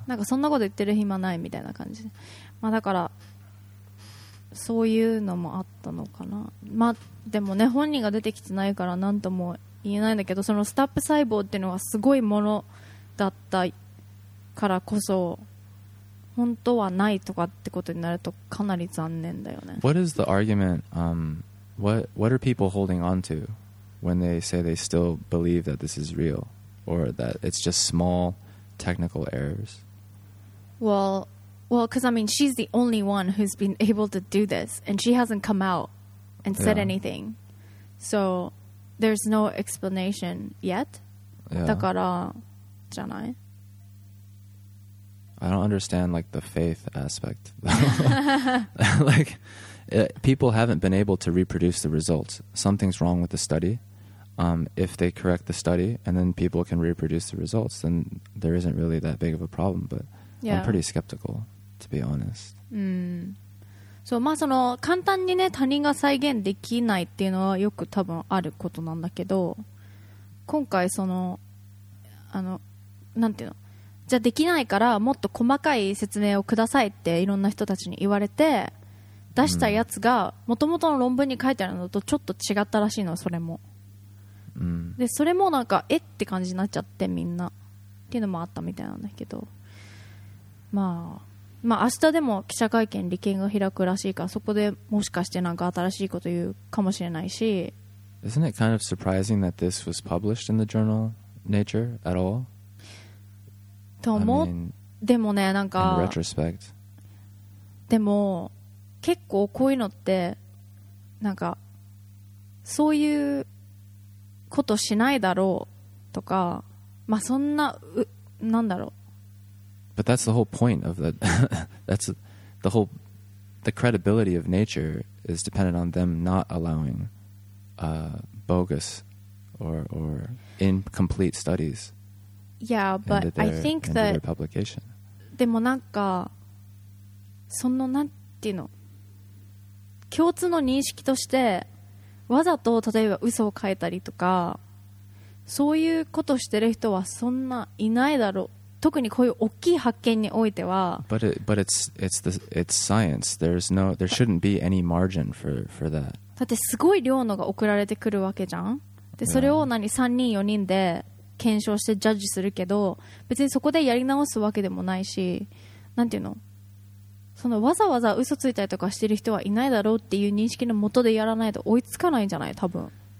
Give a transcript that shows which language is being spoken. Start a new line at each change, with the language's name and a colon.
Japanese: なんかそんなこと言ってる暇ないみたいな感じ。まあだからそういうのもあったのかな。まあでもね本人が出てきてないからなんとも言えないんだけど、そのスタップ細胞っていうのはすごいものだったからこそ本当はないとかってことになるとかなり残念だよね。
English: What is the argument what are people holding on to when they say they still believe that this is real or that it's just small technical errors? Well because I mean she's the only one who's been able to do this and she hasn't come out and said anything soThere's no explanation yet. Yeah.
Japanese: だからじゃない?
English: I don't understand like the faith aspect. Like people haven't been able to reproduce the results. Something's wrong with the study. If they correct the study and then people can reproduce the results, then there isn't really that big of a problem. But yeah. I'm pretty skeptical, to be honest. Mm.
Japanese: そう、まあその簡単にね他人が再現できないっていうのはよく多分あることなんだけど、今回そのあのなんていうの、じゃあできないからもっと細かい説明をくださいっていろんな人たちに言われて出したやつが元々の論文に書いてあるのとちょっと違ったらしいの、それも、うん、でそれもなんかえって感じになっちゃってみんなっていうのもあったみたいなんだけど、まあまあ、明日でも記者会見、利権が開くらしいから、そこでもしかしてなんか新しいこと言うかもしれないし。
English: Isn't it kind of surprising that this was published in the journal Nature at all?
Japanese: と思う。でもね、なんか、
English: in retrospect.
Japanese: でも結構こういうのってなんかそういうことしないだろうとか、まあそんな、なんだろう。
English: But that's the whole point of the that's the whole the credibility of nature is dependent on them not allowing bogus or incomplete studies. Yeah, but their, I think that their publication.
Japanese: でもなんかそのなんていうの共通の認識としてわざと例えば嘘を書いたりとかそういうことしてる人はそんないないだろう。特にこういう大きい発見においては、
English: but it, but it's science. There's no, there shouldn't be any margin for that.
Japanese: だってすごい量のが送られてくるわけじゃん。で、それを何3人4人で検証してジャッジするけど、別にそこでやり直すわけでもないし、なんていうの、そのわざわざ嘘ついたりとかしてる人はいないだろうっていう認識の元でやらないと追いつかないんじゃない？多分。